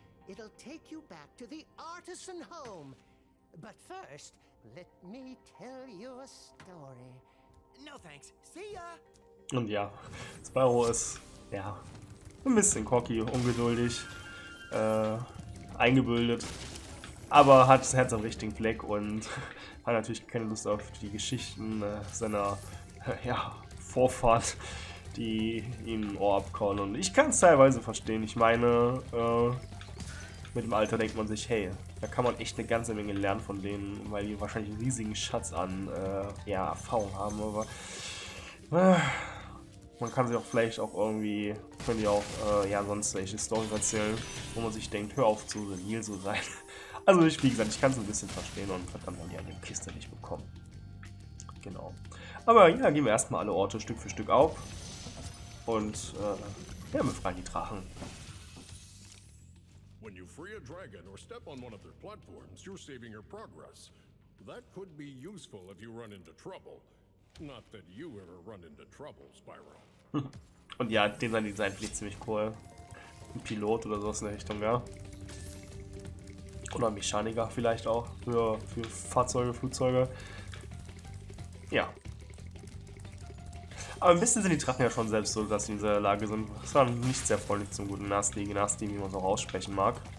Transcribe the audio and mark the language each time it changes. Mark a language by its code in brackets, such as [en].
[en] It'll take you back to the artisan home. But first, let me tell you a story. No thanks. See ya! [de] Und ja, Spyro ist, ein bisschen cocky, ungeduldig, eingebildet, aber hat das Herz am richtigen Fleck und hat natürlich keine Lust auf die Geschichten seiner Vorfahrt, die ihm Ohr abkauen. Und ich kann es teilweise verstehen. Ich meine, mit dem Alter denkt man sich, hey, da kann man echt eine ganze Menge lernen von denen, weil die wahrscheinlich einen riesigen Schatz an Erfahrung haben. Aber man kann sich auch vielleicht auch irgendwie, können die auch sonst welche Storys erzählen, wo man sich denkt, hör auf zu senil zu sein. Also ich, wie gesagt, ich kann es ein bisschen verstehen und verdammt, haben die eine Kiste nicht bekommen. Genau. Aber ja, gehen wir erstmal alle Orte Stück für Stück auf und befreien die Drachen. [en] When you free a dragon or step on one of their platforms, you're saving your progress. That could be useful if you run into trouble. Not that you ever run into trouble, Spyro. [de] Und ja, den sein Design finde ich ziemlich cool. Ein Pilot oder sowas in der Richtung, ja. Oder ein Mechaniker vielleicht auch für Fahrzeuge, Flugzeuge. Ja. Aber ein bisschen sind die Drachen ja schon selbst so, dass sie in dieser Lage sind. Das war nicht sehr freundlich zum guten Nasty, wie man es auch aussprechen mag.